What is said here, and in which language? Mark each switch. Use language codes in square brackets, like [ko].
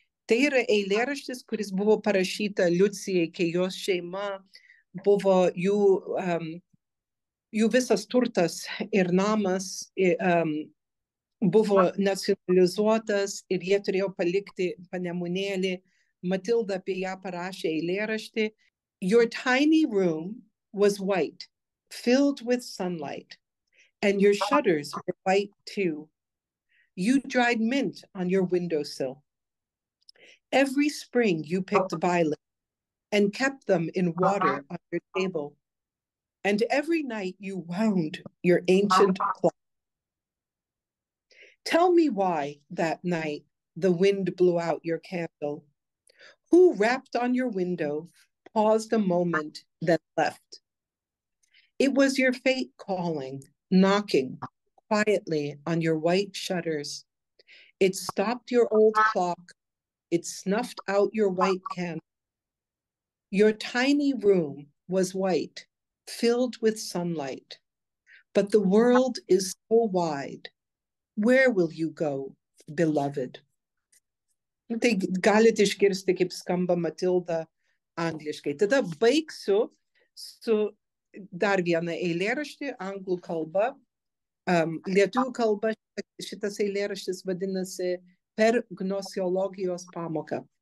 [lt] Tai yra eilėraštis, kuris buvo parašyta Liucijai, kai jos šeima buvo jų visas turtas ir namas buvo nacionalizuotas ir jie turėjo palikti Panemunėlį. Matilda apie ją parašė eilėraštį. [en] Your tiny room was white, filled with sunlight, and your shutters were white too. You dried mint on your windowsill. Every spring you picked violets and kept them in water on your table. And every night you wound your ancient clock. Tell me why that night the wind blew out your candle. Who rapped on your window, paused a moment, then left? It was your fate calling, knocking quietly on your white shutters. It stopped your old clock. It snuffed out your white candle. Your tiny room was white, filled with sunlight. But the world is so wide. Where will you go, beloved? [lt] Tai galite išgirsti, kaip skamba Matilda angliškai. Tada baigsiu su dar vieną eilėraštį anglų kalba. Lietuvių kalba šitas eilėraštis vadinasi Per gnosiologijos pamoką.